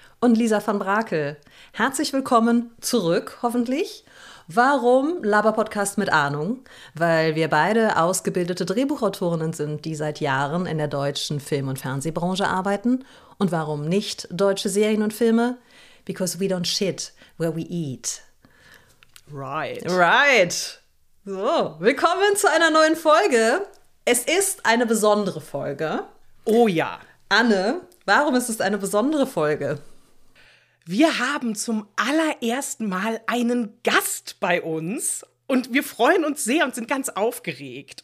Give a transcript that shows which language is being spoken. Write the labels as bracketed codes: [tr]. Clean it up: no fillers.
[de] und Lisa van Brakel. Herzlich willkommen zurück, hoffentlich. Warum Laber-Podcast mit Ahnung? Weil wir beide ausgebildete Drehbuchautorinnen sind, die seit Jahren in der deutschen Film- und Fernsehbranche arbeiten. Und warum nicht deutsche Serien und Filme? [en] Because we don't shit where we eat. Right. Right. [de] So, willkommen zu einer neuen Folge. Es ist eine besondere Folge. Oh ja. Anne, warum ist es eine besondere Folge? Wir haben zum allerersten Mal einen Gast bei uns und wir freuen uns sehr und sind ganz aufgeregt.